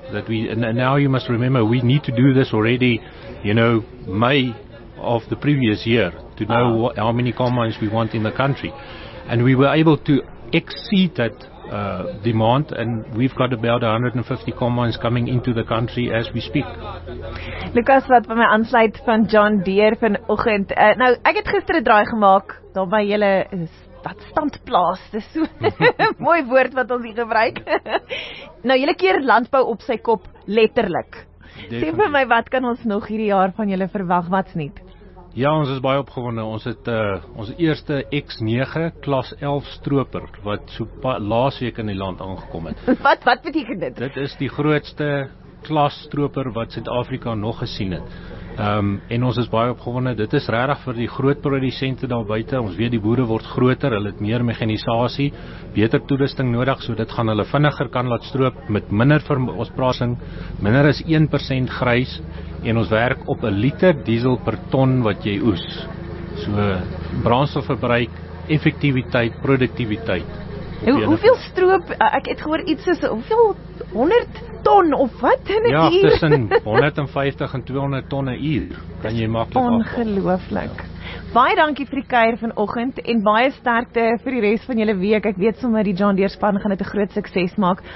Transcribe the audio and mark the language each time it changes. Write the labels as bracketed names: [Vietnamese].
[English] That we, and now you must remember, we need to do this already, you know, May of the previous year to know how many combines we want in the country, and we were able to exceed that demand, and we've got about 150 combines coming into the country as we speak. [Afrikaans] Lucas, wat van my aansluit van John Deere vanoggend. Nou, ek het gister 'n draai gemaak daar by julle standplaas. Dis so mooi woord wat ons hier gebruik. Nou, julle keer landbou op sy kop letterlik. Sê vir my, wat kan ons nog hierdie jaar van julle verwag? Wat's nuut? Ja, ons is baie opgewonde. Ons het ons eerste X9 klas 11 stroper wat so laas week in die land aangekom het. Wat beteken dit? Dit is die grootste klas stroper wat Suid-Afrika nog gesien het. En ons is baie opgewonde. Dit is regtig vir die groot produsente daar buite. Ons weet die boere word groter, hulle het meer mechanisasie, beter toerusting nodig, so dit gaan hulle vinniger kan laat stroop met minder verspraasing, minder as 1% grys. En ons werk op 'n liter diesel per ton wat jy oes. So brandstofverbruik, effektiwiteit, produktiwiteit. Hoeveel stroop, ek het gehoor iets soos, hoeveel, 100 ton of wat in 'n ja, uur? Ja, tussen 150 en 200 ton in 'n uur kan jy maklik afval. Ongelooflik. Ja. Baie dankie vir die kuier vanoggend en baie sterkte vir die res van julle week. Ek weet sommer die John Deere span gaan dit 'n groot sukses maak.